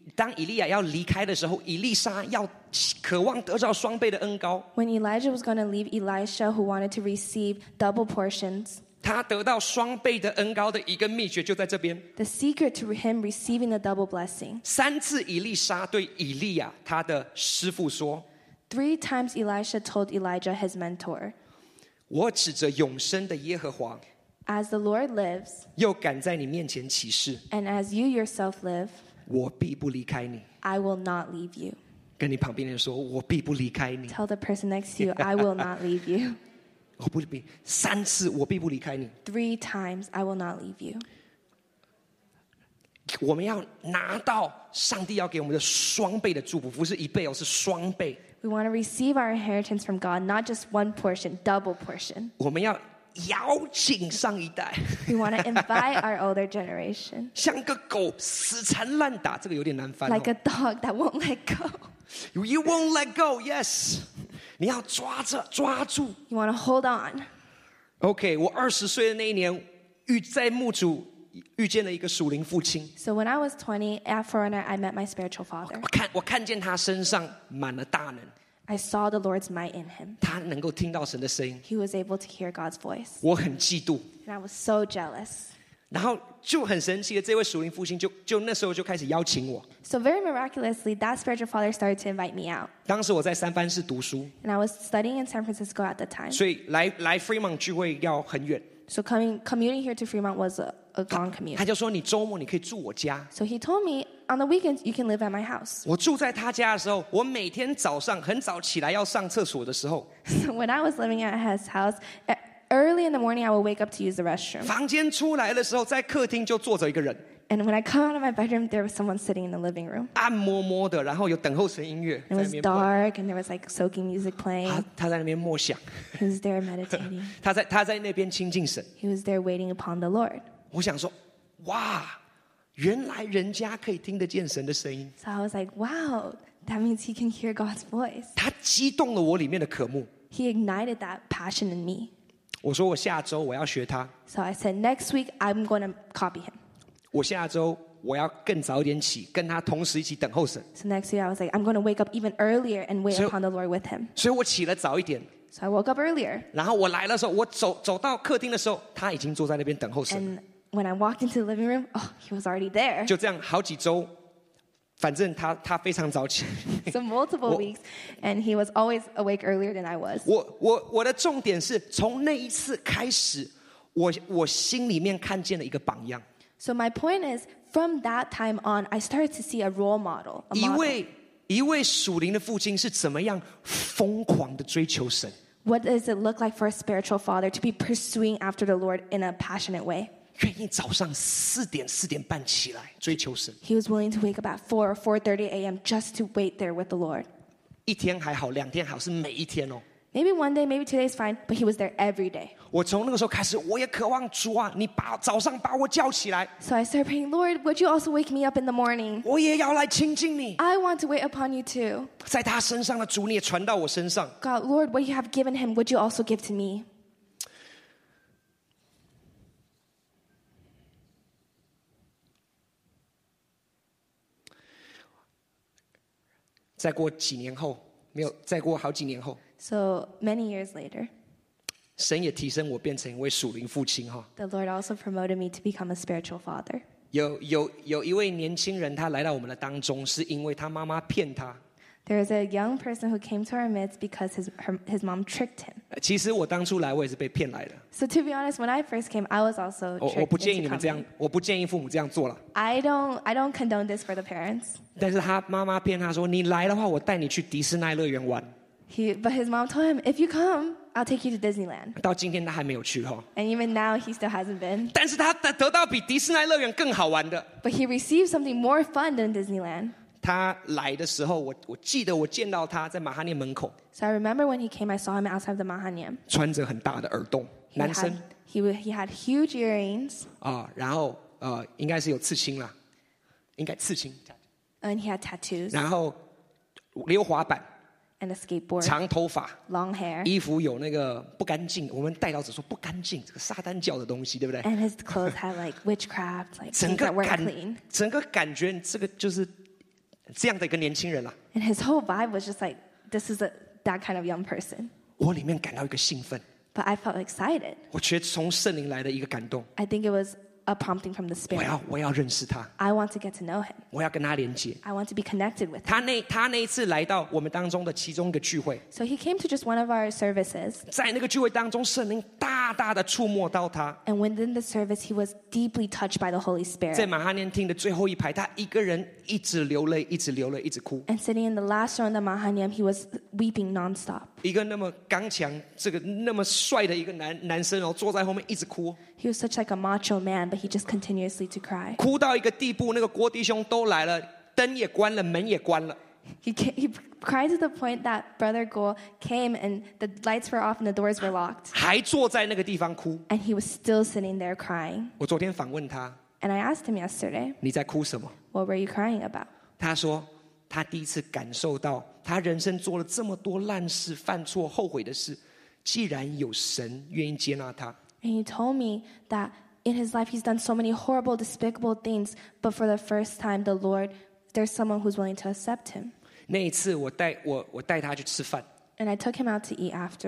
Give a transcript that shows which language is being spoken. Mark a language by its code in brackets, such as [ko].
[zh] 当以利亚要离开的时候，以利沙要渴望得到双倍的恩膏。 [en] When Elijah was going to leave, Elisha who wanted to receive double portions. [zh] 他得到双倍的恩膏的一个秘诀就在这边。 [en] The secret to him receiving the double blessing. [zh] 三次以利沙对以利亚他的师父说。 [en] Three times Elisha told Elijah his mentor. [zh] 我指着永生的耶和华。 [en] As the Lord lives, [zh] 又敢在你面前起誓 [en] and as you yourself live, [zh] 我必不离开你 [en] I will not leave you. [zh] 跟你旁边人说，我必不离开你 [en] Tell the person next to you, I will not leave you. [zh] 我不离，三次我必不离开你 [en] Three times, I will not leave you. [zh] 我们要拿到上帝要给我们的双倍的祝福，不是一倍哦，是双倍。 [en] We want to receive our inheritance from God, not just one portion, double portion. [zh] 我们要邀请上一代 [en] We want to invite our older generation [zh] 像个狗死缠烂打这个有点难翻 [en] Like a dog that won't let go You won't let go, yes [zh] 你要抓着抓住 [en] You want to hold on [zh] OK, 我二十岁的那一年在牧主遇见了一个属灵父亲 [en] So when I was 20, at Foreigner, I met my spiritual father [zh] 我看见他身上满了大能 [en] I saw the Lord's might in him. [zh] 他能够听到神的声音。 [en] He was able to hear God's voice. [zh] 我很嫉妒。 [en] And I was so jealous. [zh] 然后就很神奇的，这位属灵父亲就那时候就开始邀请我。 [en] So very miraculously, that spiritual father started to invite me out. [zh] 当时我在三藩市读书。 [en] And I was studying in San Francisco at the time. [zh] 所以来 Fremont 聚会要很远。 [en] So commuting here to Fremont was a long commute. [zh] 他就说你周末你可以住我家。 [en] So he told me. On the weekends, you can live at my house. [zh] 我住在他家的时候，我每天早上很早起来要上厕所的时候。 [en] When I was living at his house, early in the morning, I would wake up to use the restroom. [zh] 房间出来的时候，在客厅就坐着一个人。 [en] And when I come out of my bedroom, there was someone sitting in the living room. [zh] 暗摸摸的，然后有等候神音乐。 [en] It was dark, and there was like soaking music playing. [zh] 他在那边默想。 [en] He was there meditating. [zh] 他在那边亲近神。 [en] He was there waiting upon the Lord. [zh] 我想说，哇。原来人家可以听得见神的声音。 [en] So I was like, wow, that means he can hear God's voice. [zh] 他激动了我里面的渴慕。 [en] He ignited that passion in me. [zh] 我说我下周我要学他。 [en] So I said next week I'm going to copy him. [zh] 我下周我要更早点起，跟他同时一起等候神。 [en] So next week I was like I'm going to wake up even earlier and wait upon the Lord with him. [zh] 所以我起了早一点。 [en] So I woke up earlier. [zh] 然后我来的时候，我走到客厅的时候，他已经坐在那边等候神。 [en] And when I walked into the living room, oh, he was already there. [zh] 就这样好几周。反正他非常早起。 [en] So multiple weeks, and he was always awake earlier than I was. [zh] 我的重点是从那一次开始，我心里面看见了一个榜样。 [en] So my point is, from that time on, I started to see a role model. [zh] 一位属灵的父亲是怎么样疯狂的追求神 [en] ？What does it look like for a spiritual father to be pursuing after the Lord in a passionate way？ [zh] 愿意早上四点四点半起来追求神。 [en] He was willing to wake up at 4 or 4:30 a.m. just to wait there with the Lord. [zh] 一天还好，两天好，是每一天哦。 [en] Maybe one day, maybe 2 days fine, but he was there every day. [zh] 我从那个时候开始，我也渴望主啊，你把早上把我叫起来。 [en] So I started praying, Lord, would you also wake me up in the morning? [zh] 我也要来亲近你。 [en] I want to wait upon you too. [zh] 在他身上的主，你也传到我身上。 [en] God, Lord, what you have given him, would you also give to me? [zh] 再过几年后，没有，再过好几年后。 [en] So many years later. [zh] 神也提升我变成一位属灵父亲哈。 [en] The Lord also promoted me to become a spiritual father. [zh] 有一位年轻人，他来到我们的当中，是因为他妈妈骗他。 [en] There is a young person who came to our midst because his mom tricked him. [zh] 其实我当初来，我也是被骗来的。 [en] So to be honest, when I first came, I was also tricked into coming. [zh] 我不建议你们这样，我不建议父母这样做了。 [en] I don't condone this for the parents. [zh] 但是他妈妈骗他说，你来的话，我带你去迪士尼乐园玩。 [en] But his mom told him, if you come, I'll take you to Disneyland. [zh] 到今天他还没有去哈。 [en] And even now, he still hasn't been. [zh] 但是他得到比迪士尼乐园更好玩的。 [en] But he received something more fun than Disneyland. [zh] 他来的时候 我记得我见到他在马哈念门口。 [en] So I remember when he came, I saw him outside of the Mahanaim. [zh] 穿着很大的耳洞 [en] he [zh] 男生 [en] he had huge earrings. [zh] 然后应该是有刺青啦。应该刺青。 [en] And he had tattoos. [zh] 然后溜滑板。 [en] And a skateboard. [zh] 长头发。 [en] Long hair. [zh] 衣服有那个不干净我们带到只说不干净这个撒旦教的东西对不对 [en] And his clothes had like witchcraft, like things that weren't clean. [zh] 整个感觉这个就是这样的一个年轻人啦、 [en] 啊、And his whole vibe was just like, this is that kind of young person. [zh] 我里面感到一个兴奋。 [en] But I felt excited. [zh] 我觉得从圣灵来的一个感动。 [en] I think it was a prompting from the Spirit. [zh] 我要认识他。 [en] I want to get to know him. [zh] 我要跟他连接。 [en] I want to be connected with him. [zh] 他那一次来到我们当中的其中一个聚会。 [en] So he came to just one of our services. [zh] 在那个聚会当中圣灵大大的触摸到他。 [en] And within the service, he was deeply touched by the Holy Spirit. [zh] 在马哈念厅的最后一排他一个人一直流泪一直流泪一直哭。 [en] And sitting in the last row in the Mahanaim, he was weeping nonstop. [zh] 一个那么刚强这个那么帅的一个 男生、哦、坐在后面一直哭。 [en] He was such like a macho man, but he just continuously to cry. [zh] 哭到一个地步，那个郭弟兄都来了，灯也关了，门也关了。 [en] He cried to the point that Brother Guo came and the lights were off and the doors were locked. [zh] 还坐在那个地方哭。 [en] And he was still sitting there crying. [zh] 我昨天访问他。 [en] And I asked him yesterday. [zh] 你在哭什么 [en] ？What were you crying about? [zh] 他说他第一次感受到，他人生做了这么多烂事、犯错、后悔的事，既然有神愿意接纳他。 [en] And he told me that in his life he's done so many horrible, despicable things, but for the first time, the Lord, there's someone who's willing to accept him. [zh] 那一次我带他去吃饭。 [en] And I took him out to eat after.